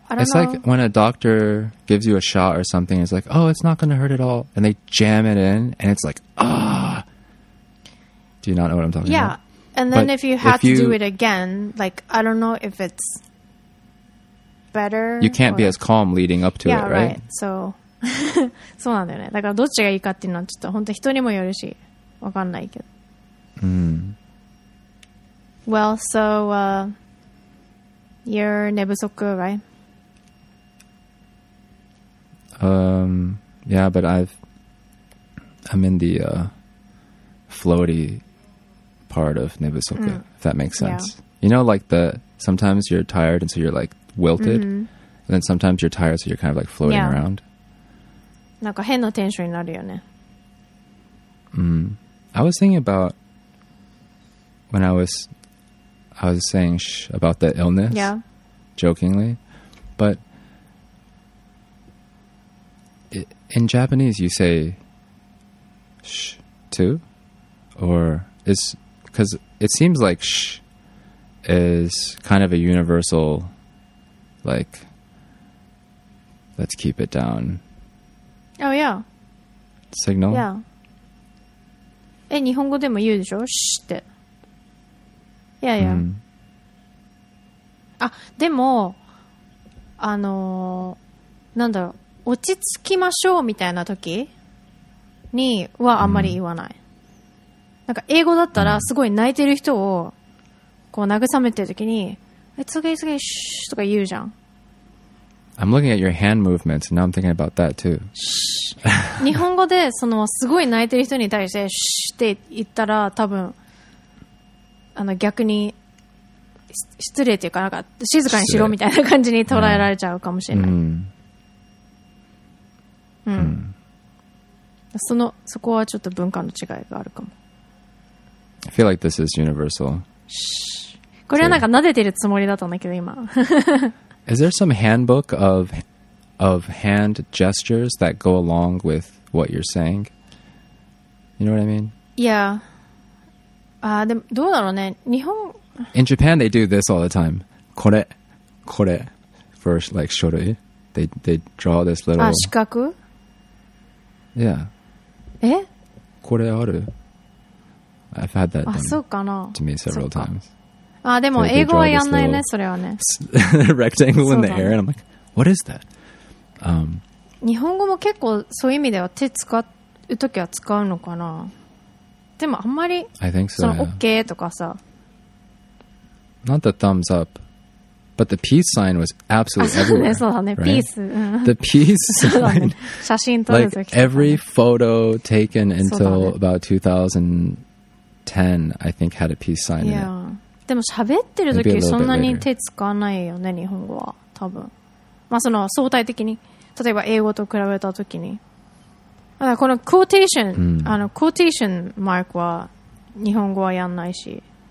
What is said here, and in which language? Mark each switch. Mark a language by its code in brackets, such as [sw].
[en] It's like when a doctor gives you a shot or something, it's like, oh, it's not going to hurt at all. And they jam it in, and it's like, ah. Do you not know what I'm talking about? Yeah. And then if you do it again, like, I don't know if it's better. You can't be as calm leading up to it, right? So, [ja] そうなんだよね。だからどっちがいいかっていうのはちょっと本当人にもよるし、わかんないけど。 [en] Well, so, you're nebusoku, right? Yeah, but I'm in the floaty part of nebusoku, if that makes sense. Yeah. You know, like the sometimes you're tired and so you're like wilted, and then sometimes you're tired so you're kind of like floating around. [ja] なんか変なテンションになるよね。 [en] I was thinking about when I was saying about the illness. Yeah. Jokingly, but in Japanese you say shh too, or is, because it seems like shh is kind of a universal, like, let's keep it down. Oh yeah. Signal. Yeah. [ja] え、日本語でも言うでしょ？シュって。 [en] Yeah, yeah. [ja] あ、でも、なんだろう、落ち着きましょうみたいな時にはあんまり言わない。なんか英語だったらすごい泣いてる人をこう慰めてる時に、 [en] It's okay, it's okay, shh, [ja] とか言うじゃん。 [en] I'm looking at your hand movements, and now I'm thinking about that too. [ja] 日本語でそのすごい泣いてる人に対して、shh, って言ったら多分、逆に、失礼というか、なんか静かにしろみたいな感じに捉えられちゃうかもしれない。そこはちょっと文化の違いがあるかも。 [en] I feel like this is universal. [ja] これはなんか撫でてるつもりだったんだけど今。 [en] Is there some handbook of hand gestures that go along with what you're saying? You know what I mean? Yeah. [ja] ああ、でもどうだろうね。日本。 [en] In Japan, they do this all the time. [ja] これ、これ。 [en] For like 書類。They draw this little... [ja] あ、四角? [en] Yeah. え? [ja] これある? [en] I've had that done to me several times. [ja] あ、でも英語はやんないね、それはね。 [en] Rectangle in the air, and I'm like, what is that? [ja] 日本語も結構そういう意味では手使うときは使うのかな。でもあんまり、 [en] I think so, [ja] その OK、 [en] yeah. [ja] とかさ。 [en] Not the thumbs up. But the peace sign was absolutely everywhere. [ja] そうだね、 [en] right? peace. The peace sign. [ja] 写真撮る [en] like every photo taken until about 2010, I think, had a peace sign yeah. in it. [ja] でも喋ってる時そんなに手つかないよね、日本語は。多分。まあその相対的に。例えば英語と比べた時に。この quotation,、mm. あの quotation mark は日本語はやんないし。